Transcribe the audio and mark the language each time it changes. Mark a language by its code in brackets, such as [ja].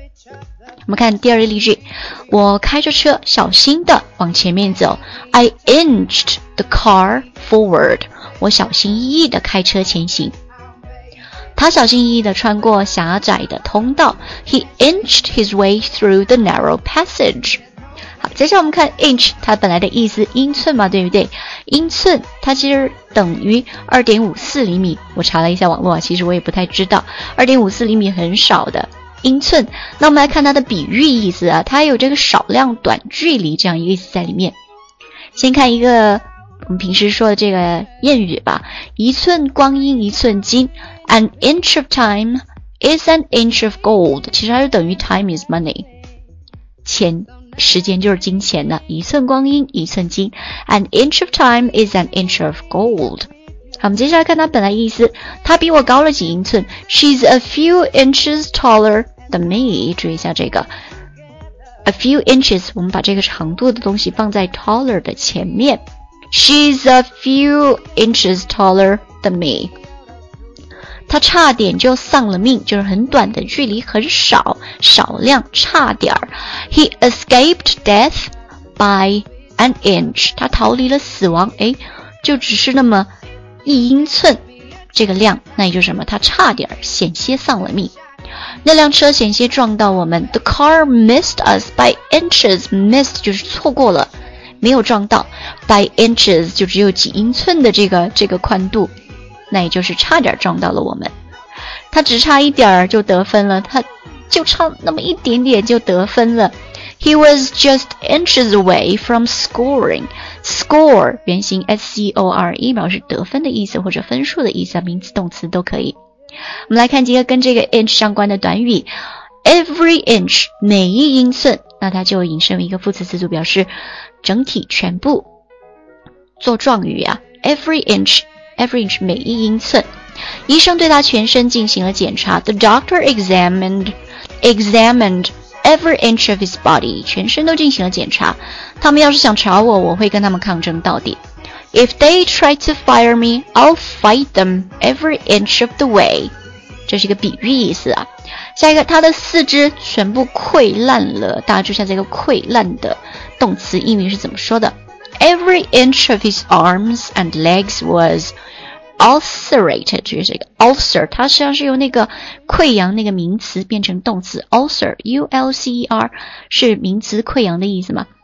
[zh] 我们看第二个例句，我开着车小心地往前面走， [en] I inched the car forward， [zh] 我小心翼翼地开车前行。他小心翼翼地穿过狭窄的通道。 [en] He inched his way through the narrow passage. [zh] 好，接下来我们看 inch, 它本来的意思英寸嘛，对不对？英寸它其实等于 2.54 厘米。我查了一下网络，其实我也不太知道。2.54 厘米很少的。英寸，那我们来看它的比喻意思啊，它有这个少量、短距离这样一个意思在里面。先看一个我们平时说的这个谚语吧，一寸光阴一寸金， [en] An inch of time is an inch of gold， [zh] 其实它就等于 [en] time is money， [zh] 钱，时间就是金钱呢，一寸光阴一寸金， An inch of time is an inch of gold。好，我们接下来看他本来意思，他比我高了几英寸。 [en] She's a few inches taller than me。 [zh] 注意一下这个 a few inches， 我们把这个长度的东西放在 taller 的前面。 [en] She's a few inches taller than me。 [zh] 他差点就丧了命，就是很短的距离，很少，少量，差点。 [en] He escaped death by an inch。 [zh] 他逃离了死亡，哎，就只是那么。一英寸这个量，那也就是什么，他差点险些丧了命，那辆车险些撞到我们。 [en] The car missed us by inches。 [zh] Missed 就是错过了，没有撞到。By inches 就只有几英寸的这个宽度，那也就是差点撞到了我们。他只差一点就得分了，他就差那么一点点就得分了。 [en] He was just inches away from scoring. [zh] Score, 原型 S-C-O-R-E, 表示得分的意思或者分数的意思，名词动词都可以。我们来看几个跟这个 inch 相关的短语。Every inch, 每一英寸，那它就引申为一个副词词组，表示整体全部，做状语啊。 Every inch, 每一英寸。医生对他全身进行了检查。 [en] The doctor examined,Every inch of his body, [zh] 全身都进行了检查。他们要是想吵我，我会跟他们抗争到底。 [en] If they try to fire me, I'll fight them every inch of the way. [zh] 这是一个比喻意思啊。下一个，他的四肢全部溃烂了。大家注意一下这个溃烂的动词英语是怎么说的。 [en] Every inch of his arms and legs was ulcerated, [zh] 就是一个 ulcer, 它实际上是由那个溃疡那个名词变成动词 ulcer, U-L-C-E-R, 是名词溃疡的意思嘛。